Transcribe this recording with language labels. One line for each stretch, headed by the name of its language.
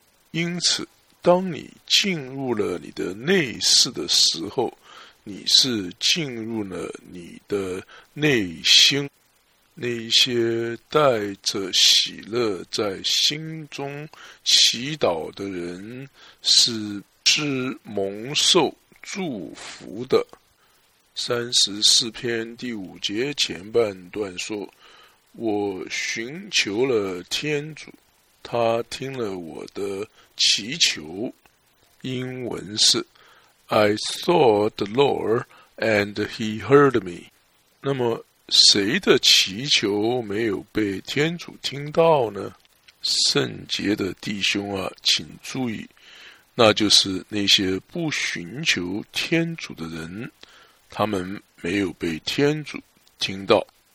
Chinese: 因此，当你进入了你的内室的时候，你是进入了你的内心，那些带着喜乐在心中祈祷的人，是蒙受祝福的。 34篇第5节前半段说，我寻求了天主，他听了我的祈求。英文是
English: I sought the Lord and he heard me.
Chinese: 那么谁的祈求没有被天主听到呢？圣洁的弟兄啊，请注意，那就是那些不寻求天主的人，他们没有被天主听到。